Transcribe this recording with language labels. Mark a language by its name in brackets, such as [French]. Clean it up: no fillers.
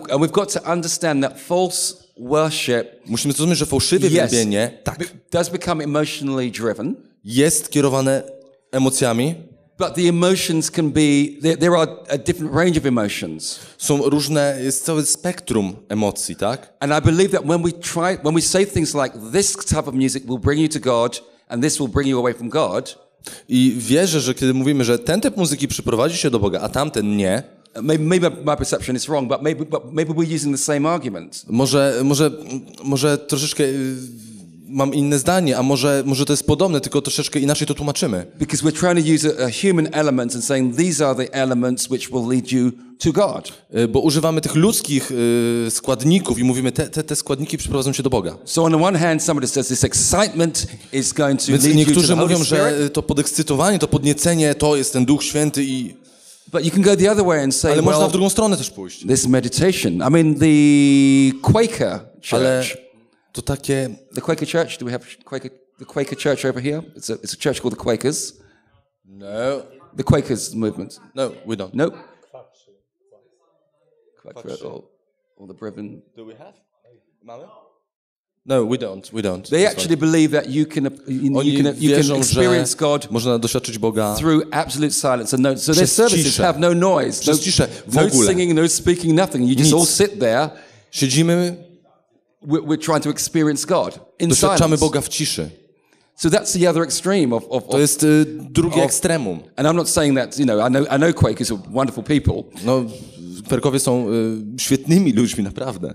[English] And we've got to understand that false worship. [Polish] Musimy zrozumieć, że fałszywe wielbienie, tak. [English] Does become emotionally driven. [Polish] Jest kierowane emocjami. [English] But the emotions can be there are a different range of emotions. [Polish] Są różne, jest całe spektrum emocji, tak? [English] And I believe that when we say things like this type of music will bring you to God and this will bring you away from God. [Polish] I wierzę, że kiedy mówimy, że ten typ muzyki przyprowadzi się do Boga, a tamten nie. [English] Maybe my perception is wrong, but maybe we're using the same argument. [Polish] Może troszeczkę mam inne zdanie, a może to jest podobne, tylko troszeczkę inaczej to tłumaczymy. [English] Because we're trying to use a human element and saying these are the elements which will lead you to God. [Polish] Bo używamy tych ludzkich składników i mówimy te składniki przyprowadzą cię do Boga. [English] So on the one hand somebody says this excitement is going to lead you to. [Polish] Niektórzy mówią, że to podekscytowanie, to podniecenie to jest ten Duch Święty i. [English] But you can go the other way and say, [Polish] ale można w drugą stronę też pójść. [English] This meditation, I mean the Quaker church. [Polish] To takie. [English] The Quaker Church. Do we have Quaker? The Quaker Church over here. It's a church called the Quakers. No. The Quakers movement. No, we don't. No. Nope. Quaker at all the brethren. Do we have? [Polish] Mamy? [English] No, we don't. We don't. They actually believe that you can experience God. [Polish] Można doświadczyć Boga. [English] Through absolute silence and no. So their services have no noise. [Polish] Przez ciszę. W ogóle. [English] No singing, no speaking, nothing. You just all sit there. [Polish] Siedzimy. [English] We're trying to experience God in silence. [Polish] Doświadczamy Boga w ciszy. [English] So that's the other extreme of [Polish] to jest drugie ekstremum. [English] And I'm not saying that, you know, I know Quakers are wonderful people. [Polish] No, Quakerowie są świetnymi ludźmi naprawdę.